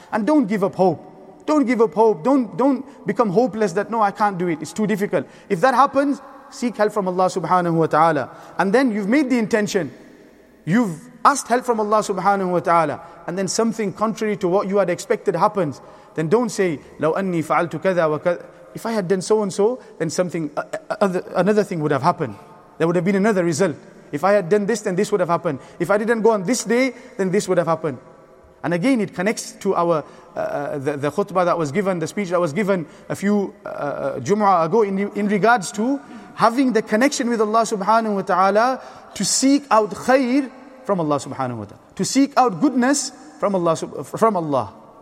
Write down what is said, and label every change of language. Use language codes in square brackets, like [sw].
[en] And don't give up hope. Don't give up hope. Don't become hopeless that, no, I can't do it. It's too difficult. If that happens, seek help from Allah subhanahu wa ta'ala. And then you've made the intention. You've asked help from Allah subhanahu wa ta'ala. And then something contrary to what you had expected happens. Then don't say, [ar] لَوْ أَنِّي فَعَلْتُ كَذَا وَكَذَا. [en] If I had done so and so, then something, another thing would have happened. There would have been another result. If I had done this, then this would have happened. If I didn't go on this day, then this would have happened. And again, it connects to our the khutbah that was given, the speech that was given a few Jumu'ah ago in regards to having the connection with Allah subhanahu wa ta'ala to seek out khair from Allah subhanahu wa ta'ala. To seek out goodness from Allah.